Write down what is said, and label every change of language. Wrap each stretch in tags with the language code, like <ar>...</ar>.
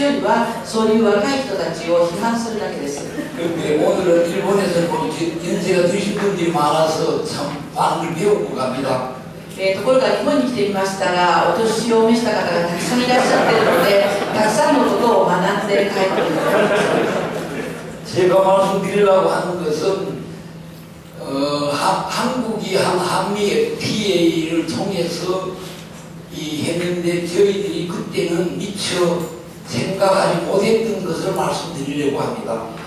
<ja>韓国ではこういう集まりをしますと主に若い人がたくさん集まります。そして年寄りはそういう若い人たちを批判するだけです。</ja> <ko>오늘은 일본에서 연세가 드신 분들이 많아서 참 많은 걸 배우고 갑니다.</ko> <ja>ところが日本に来てみましたら、お年を召した方がたくさんいらっしゃってるので、たくさんのことを学んで帰ってきました。</ja> <ko>제가 말씀드리려고 하는 것은 한국이 한미 FTA를 통해서 이 했는데 저희들이 그때는 미처 생각하지 못했던 것을 말씀드리려고 합니다.</ko>